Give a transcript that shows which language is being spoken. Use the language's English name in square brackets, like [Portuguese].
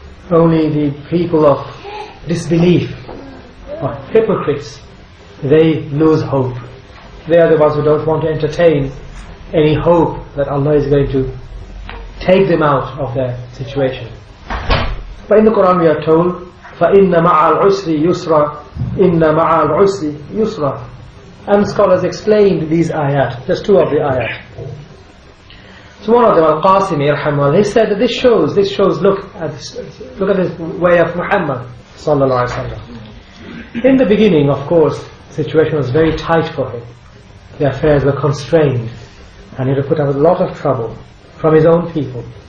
[English] Only the people of disbelief or hypocrites, they lose hope. They are the ones who don't want to entertain any hope that Allah is going to take them out of their situation. But in the Quran we are told, [Arabic] فَإِنَّ مَعَ الْعُسْرِ يُسْرَ [English] إِنَّ مَعَ الْعُسْرِ يُسْرَ. And scholars explained these ayat, just two of the ayat. So one of them, Al-Qasimi, Rahimahullah, he said that this shows, look at this way of Muhammad, sallallahu alayhi wa sallam. In the beginning, of course, the situation was very tight for him. The affairs were constrained, and he had put up a lot of trouble from his own people.